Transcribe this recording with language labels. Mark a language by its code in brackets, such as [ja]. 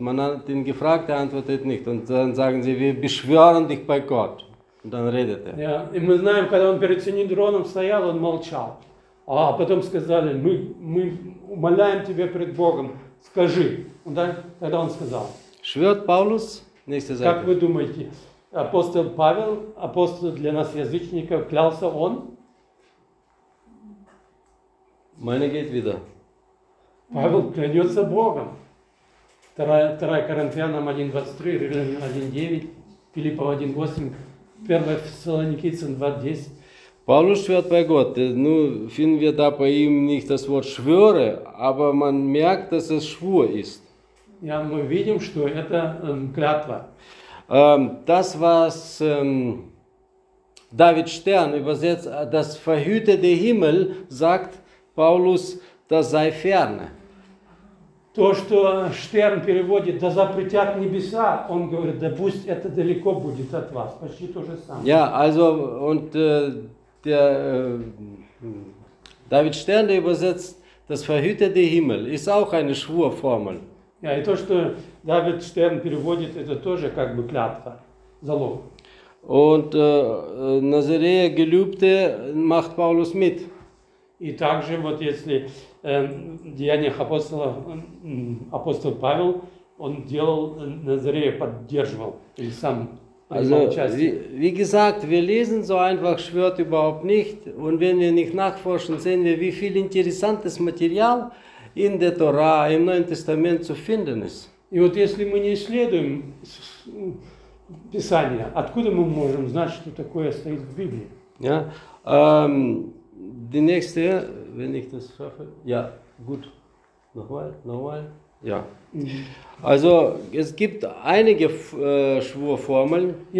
[de] Man hat ihn gefragt, er antwortet nicht. Und dann sagen sie, wir beschwören dich bei Gott. Und dann redet er. Ja, und wir [ru] знаем, когда он перед Синедрионом стоял, он молчал. А потом сказали, мы умоляем тебя перед Богом, скажи. [de] Und dann, [ru] тогда он сказал. [de] Schwört Paulus? Nächste Seite. [ru] Как вы думаете, апостол Павел, апостол для нас язычников, клялся он? [de] Meine geht wieder. [ru] Павел клянется Богом. 2 Коринфянам 1.23, Римлянам 1.9, Филиппов 1.8, 1 Фессалоникийцам 2.10. [de] Paulus schwört bei Gott. Ну, finden wir da bei ihm nicht das Wort schwöre, aber man merkt, dass es Schwur ist. [ru] Ja, мы видим, что это клятва. [de] Das, was David Stern übersetzt, das verhütete Himmel, sagt Paulus, das sei ferne. [ru] То, что Штерн переводит, да запретят небеса, он говорит, да пусть это далеко будет от вас. Почти то же самое. [de] Ja, also, und David Stern übersetzt, das verhütete Himmel, ist auch eine Schwurformel. [ru] Ja, и то, что David Stern переводит, это тоже как бы клятва, залог. [de] Und Назарея Гелюбте macht Paulus mit. [ru] И также, вот если деяния апостола, апостол Павел, он делал Назарея, поддерживал, или сам [de] also, wie gesagt, wir lesen so einfach, schwört überhaupt nicht, und wenn wir nicht nachforschen, sehen wir, wie viel interessantes Material in der Tora, im Neuen Testament zu finden ist. [ru] И вот если мы не исследуем Писание, откуда мы можем знать, что такое стоит в Библии? [de] Ja, die nächste, wenn ich das schaffe. Ja, gut. Nochmal. Ja. Also, es gibt einige Schwurformeln.